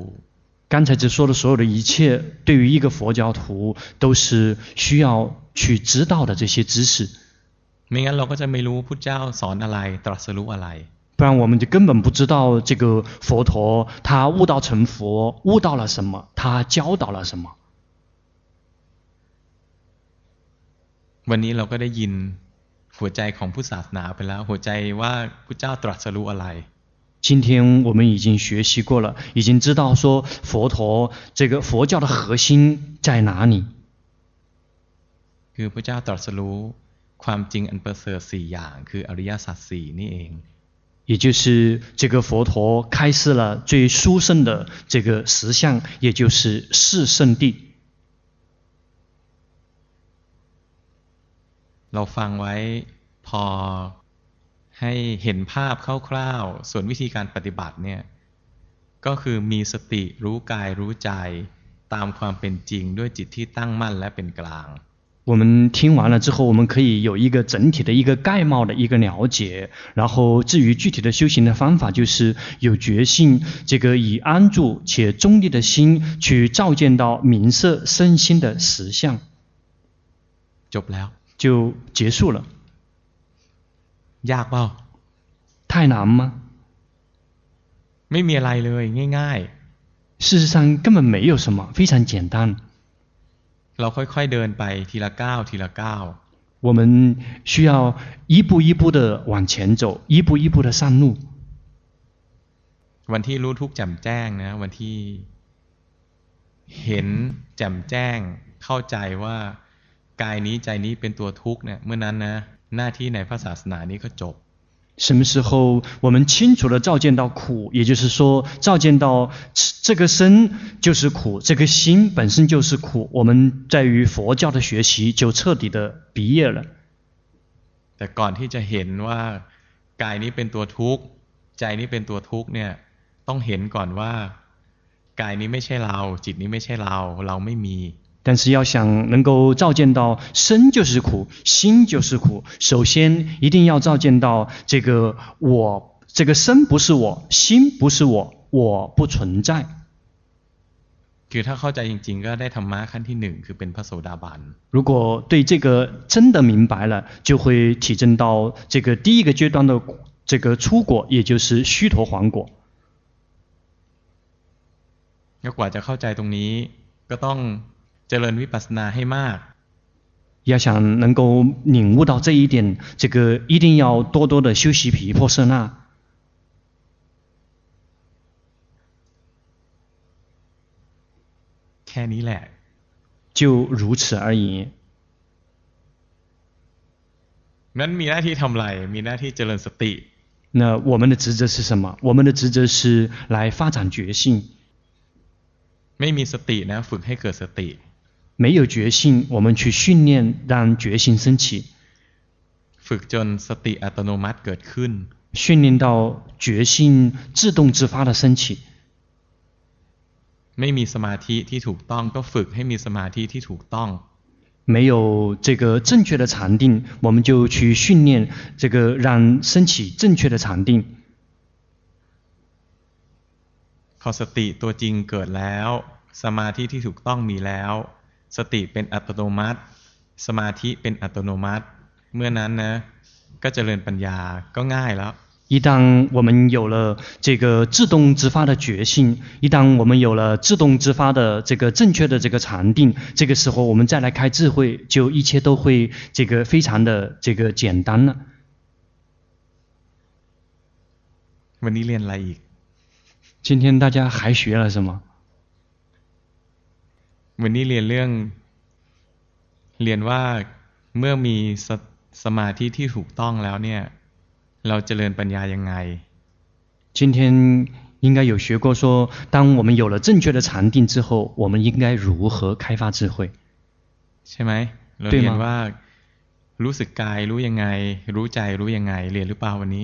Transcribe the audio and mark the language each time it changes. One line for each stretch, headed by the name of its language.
Chinese: 刚才只说的所有的一切对于一个佛教徒都是需要去知道的这些知识
Thai: ไม่งั้นเราก็จะไม่รู้พุทธเจ้าสอนอะไรตรัสรู้อะไร
Chinese: 不然我们就根本不知道这个佛陀他悟道成佛悟到了什么他教导了什么
Thai: วันนี้เราก็ได้ยินหัวใจของพุทธศาสนาไปแล้วหัวใจว่าพุทธเจ้าตรัสรู้อะไร
Chinese: 今天我们已经学习过了已经知道说佛陀这个佛教的核心在哪里
Thai: คือพระเจ้าตรัสรู้ความจริงอันประเสริฐ4อย่างคืออริยสัจ4นี่เอง
Chinese: 也就是这个佛陀开示了最殊胜的这个实相也就是四圣谛
Thai: เราฟังไว้พอให้เห็นภาพคร่าวๆส่วนวิธีการปฏิบัติเนี่ยก็คือมีสติรู้กายรู้ใจตามความเป็นจริงด้วยจิตที่ตั้งมั่นและเป็นกลาง
Chinese: 我们听完了之后我们可以有一个整体的一个概貌的一个了解然后至于具体的修行的方法就是有觉性这个以安住且中立的心去照见到明色身心的实相就不了就结束了
Thai: ยากเปล่า
Chinese: 太难吗
Thai: ไม่มีอะไรเลยง่าย
Chinese: ๆ事实上根本没有什么非常简单
Thai: เราค่อยๆเดินไปทีละก้าวทีละก้าว
Chinese: 我们需要一步一步的往前走一步一步的上路
Thai: วันที่รู้ทุกข์แจ่มแจ้งนะวันที่เห็นแจ่มแจ้งเข้าใจว่ากายนี้ใจนี้เป็นตัวทุกข์เนี่ยเมื่อนั้นนะหน้าที่ในพระศาสนานี้ก็จบ
Chinese: 什么时候我们清楚的照见到苦也就是说照见到这个身就是苦这个心本身就是苦我们在于佛教的学习就彻底的毕业了
Thai: แต่ก่อนที่จะเห็นว่ากายนี้เป็นตัวทุกข์ใจนี้เป็นตัวทุกข์เนี่ยต้องเห็นก่อนว่ากายนี้ไม่ใช่เราจิตนี้ไม่ใช่เราเราไม่มี
Chinese: 但是要想能够照见到身就是苦心就是苦首先一定要照见到这个我这个身不是我心不是我我不存在
Thai: คือถ้าเข้าใจจริงๆก็ได้ธรรมะขั้นที่หนึ่งคือเป็นพระโสดาบัน
Chinese: 如果对这个真的明白了就会体证到这个第一个阶段的这个初果也就是须陀洹果要
Thai: กว่าจะเข้าใจตรงนี้ก็ต้องเจริญวิปัสสนาให้มาก
Chinese: 要想能够领悟到这一点这个一定要多多的修习毗婆舍那
Thai: แค่นี้แหละ
Chinese: 就如此而已
Thai: นั้นมีหน้าที่ทำไรมีหน้าที่เจริญสติ
Chinese: 那我们的职责是什么我们的职责是来发展觉性没有
Thai: สติเนี่ยฝึกให้เกิดสติ
Chinese: 没有决心我们去训练让决心升起
Thai: ฝึกจนสติอัตโนมัติเกิดขึ้น
Chinese: 训练到决心自动自发的升起
Thai: ไม่มีสมาธิที่ถูกต้องก็ฝึกให้มีสมาธิที่ถูกต้อง
Chinese: 没有这个正确的禅定我们就去训练这个让升起正确的禅定
Thai: พอสติตัวจริงเกิดแล้วสมาธิที่ถูกต้องมีแล้วสติเป็นอัตโนมัติสมาธิเป็นอัตโนมัติเมื่อนั้นนะก็เจริญปัญญาก็ง่ายแล้ว
Chinese: 一旦我们有了这个自动自发的觉性，一旦我们有了自动自发的这个正确的这个禅定，这个时候我们再来开智慧，就一切都会这个非常的这个简单了。
Thai: วันนี้เรียนอะไรอีก？
Chinese: 今天大家还学了什么？
Thai: วันนี้เรียนเรื่องเรียนว่าเมื่อมีสมาธิที่ถูกต้องแล้วเนี่ยเราเจริญปัญญายังไง
Chinese: 今天应该有学过说当我们有了正确的禅定之后我们应该如何开发智慧
Thai: ใช่ไหมเราเรียนว่ารู้สึกกายรู้ยังไงรู้ใจรู้ยังไงเรียนหรือเปล่าวันนี